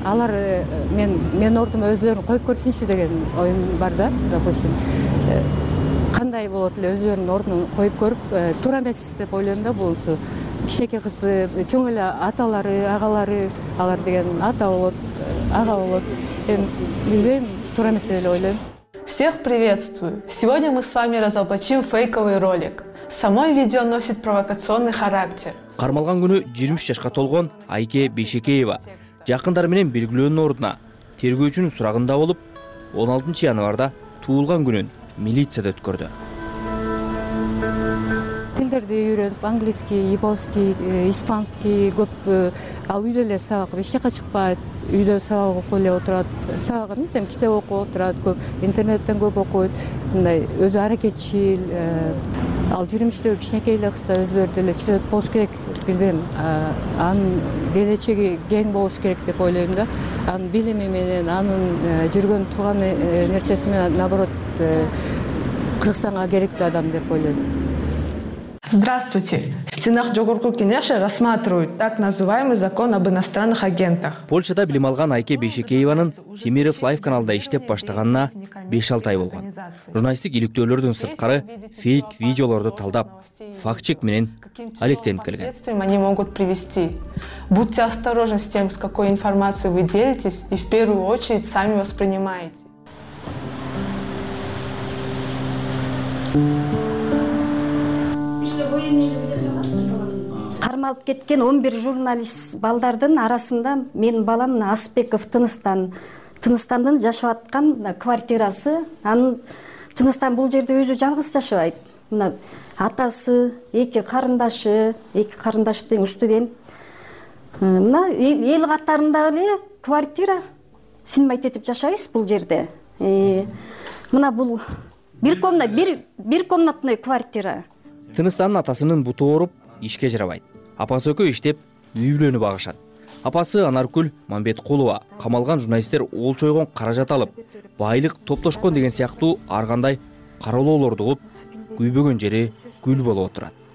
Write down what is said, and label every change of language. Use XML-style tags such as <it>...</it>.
<ky>Алар мен ордума өзлөрүн коюп көрсүнчү деген оюм бар да, допустим. кандай болот эле өзүлөрүнүн ордун коюп көрүп туура эмес деп ойлойм да. Болсо кичинекей кызды чоң эле аталары агалары алар деген ата болот ага болот, эми билбейм, туура эмес деп эле ойлойм.</ky> <ru>Всех приветствую! Сегодня мы с вами разоблачим фейковый ролик. Само видео носит провокационный характер.</ru> <ky>Кармалган күнү 23 жашка толгон Айке Бейшекеева жакындары менен белгилөөнүн ордуна тергөөчүнүн сурагында болуп 16 январда туулган күнүн милицияда өткөрдү. Тилдерди үйрөнүп,</ky> <ru>английский, японский, испанский</ru> <ky>көп ал үйдө эле сабак, эч жака чыкпайт, үйдө сабак окуп эле отурат. Сабак эмес, эми китеп окуп отурат, көп интернеттен көп окуйт. Мындай өзү аракетчил, ал 23-төгү кичинекей эле кызда өзүлөрү деле чүрөт болуш керек, билбейм. Анын келечеги кең болуш керек деп ойлойм да. Анын билими менен, анын жүргөн турган нерсеси менен наоборот Кыргызстанга керектүү адам деп ойлойм.</ky> <ru>Здравствуйте! В стенах Жогорку Кенеши рассматривают так называемый закон об иностранных агентах.</ru> <ky>Польшада билим алган Айке Бейшекеевнин Кемиров Лайф каналында иштеп баштаганына 5-6 ай болгон. Журналистик иликтөөлөрдүн сырткары фейк видеолорду талдап, фактчек менен алектенип келген.</ky> <ru>Они могут привести. Будьте осторожны с тем, с какой информацией вы делитесь и в первую очередь сами воспринимаете.</ru> <ky>Кармалып кеткен 11 журналист балдардын арасында менин балам Асбеков Тыныстан. Тыныстандын жашап аткан квартирасы. Анын Тыныстан бул жерде өзү жалгыз жашабайт. Мына атасы, эки карындашы тең студент. Мына эл катарында эле квартира синмайт этип жашайбыз бул жерде. Мына бул бир комнатный квартира. Тыныстанын атасынын буту ооруп, ишке жарабайт. Апасы өкө иштеп, үй бүлөнү багышат. Апасы Анаркүл Мамбетколова камалган журналисттер олчойгон каражат алып, байлык топтошкон деген сыяктуу ар кандай кароолоолорду кылып, күйбөгөн жери күл болуп отурат.</ky>